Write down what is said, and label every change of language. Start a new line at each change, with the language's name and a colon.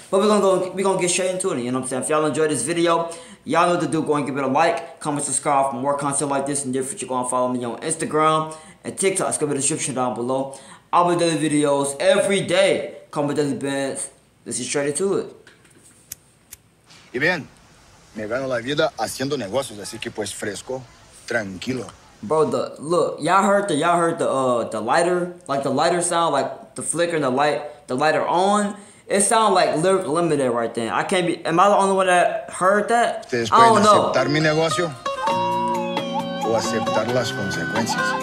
English: But we're gonna get straight into it, you know what I'm saying? If y'all enjoyed this video, y'all know what to do. Go and give it a like, comment, subscribe for more content like this. And if you're gonna follow me on Instagram and TikTok, it's gonna be in the description down below. I'll be doing videos every day. Come with the bands. Let's get straight into it.
Spanish: Y bien, me gano la vida haciendo negocios, así que pues fresco, tranquilo.
English: Bro, y'all heard the lighter, like the lighter sound, like the flicker and the lighter on. It sound like Lyric Limited right then. I can't be, am I the only one that heard that?
Spanish: Ustedes
English: I don't
Spanish: pueden
English: know.
Spanish: Aceptar mi negocio o aceptar las consecuencias.